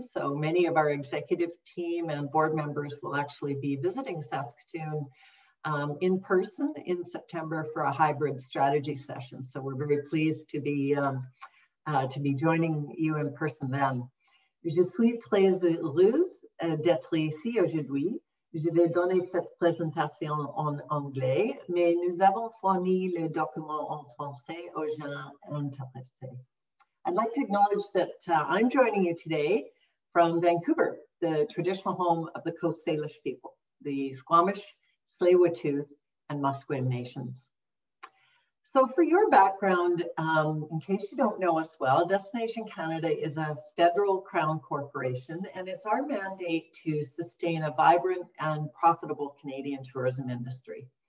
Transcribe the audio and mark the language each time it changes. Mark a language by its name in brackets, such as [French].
[English] So many of our executive team and board members will actually be visiting Saskatoon in person in September for a hybrid strategy session. So we're very pleased to be joining you in person then. [French] Je suis très heureuse d'être ici aujourd'hui. Je vais donner cette présentation en anglais, mais nous avons fourni le document en français aux gens intéressés. [English] I'd like to acknowledge that I'm joining you today from Vancouver, the traditional home of the Coast Salish people, the Squamish, Tsleil-Waututh, and Musqueam nations. So for your background, in case you don't know us well, Destination Canada is a federal crown corporation, and it's our mandate to sustain a vibrant and profitable Canadian tourism industry.